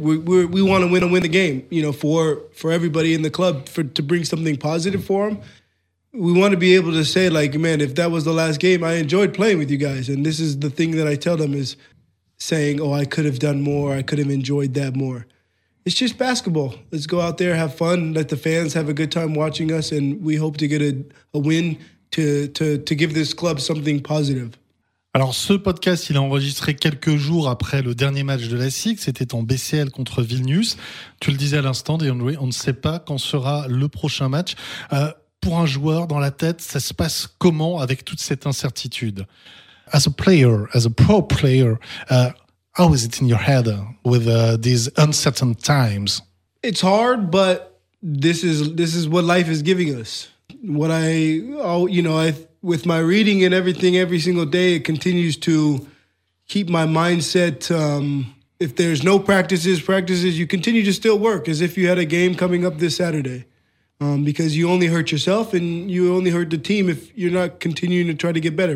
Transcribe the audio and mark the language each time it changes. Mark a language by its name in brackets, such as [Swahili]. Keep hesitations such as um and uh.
[English] We we're, we want to win and win the game. You know, for for everybody in the club for to bring something positive for them we want to be able to say like man if that was the last game i enjoyed playing with you guys and this is the thing that i tell them is saying oh i could have done more i could have enjoyed that more it's just basketball let's go out there have fun let the fans have a good time watching us and we hope to get a, a win to, to to give this club something positive [French] Alors, ce podcast, il est enregistré quelques jours après le dernier match de la SIG. C'était en BCL contre Vilnius. Tu le disais à l'instant, Dejan Louis, on ne sait pas quand sera le prochain match. Euh, pour un joueur, dans la tête, ça se passe comment avec toute cette incertitude [English] As a player, as a pro player, uh, how is it in your head with uh, these uncertain times it's hard, but this is this is what life is giving us. What I, oh, you know, I with my reading and everything every single day, it continues to keep my mindset. Um, if there's no practices, practices, you continue to still work as if you had a game coming up this Saturday, um, because you only hurt yourself and you only hurt the team if you're not continuing to try to get better.